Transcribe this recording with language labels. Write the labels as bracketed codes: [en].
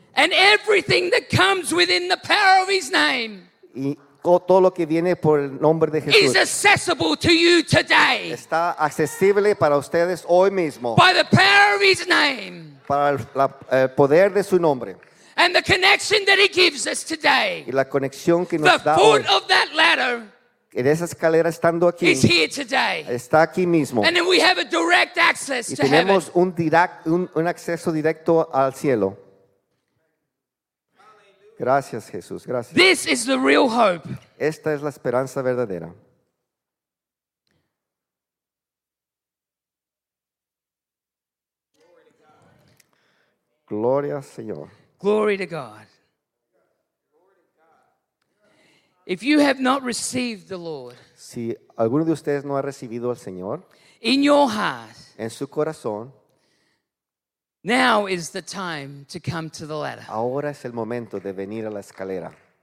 [en] And everything that comes within the power of his name. [es] Y todo lo que viene por el nombre de Jesús. [en] Is accessible to you today. [es] Está accesible para ustedes hoy mismo. [en] By the power of his name. [es] Para el poder de su nombre. [en] And the connection that he gives us today. [es] Y la conexión que nos [en] the [es] da [en] foot [es] hoy, [en] of that ladder. [es] En esa escalera estando aquí. [en] Is here today. [es] Está aquí mismo. [en] And then we have a direct access [es] y [en] to heaven. [es] Y tenemos un acceso directo al cielo. Gracias, Jesús. Gracias. [en] This is the real hope. [es] Esta es la esperanza verdadera. Gloria al Señor. [en] Glory to God. If you have not received the Lord, [es] si alguno de ustedes no ha recibido al Señor, [en] in your heart, [es] en su corazón, [en] now is the time to come to the ladder. [es] Ahora es el momento de venir a la escalera.